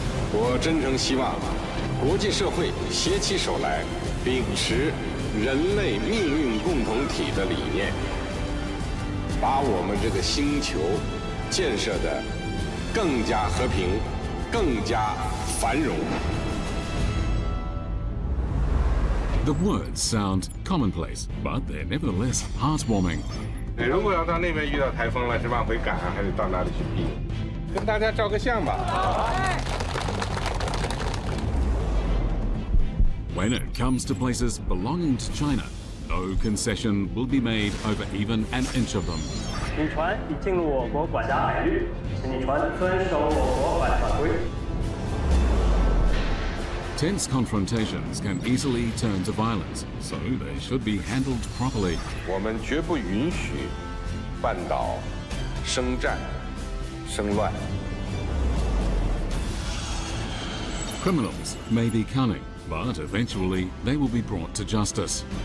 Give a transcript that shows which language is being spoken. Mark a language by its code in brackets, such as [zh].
[zh] 我真诚希望国际社会携起手来，秉持人类命运共同体的理念，把我们这个星球建设得更加和平，更加繁荣。 [en] The words sound commonplace, but they're nevertheless heartwarming. [zh] 如果要到那边遇到台风了，是往回赶还是到哪里去避？跟大家照个相吧。 [en] When it comes to places belonging to China, no concession will be made over even an inch of them. [zh] 渔船已进入我国管辖海域，请船遵守我国管辖规。 [en] Tense confrontations can easily turn to violence, so they should be handled properly. [zh] 我们绝不允许半岛生战、生乱。 [en] Criminals may be cunning. But eventually, they will be brought to justice.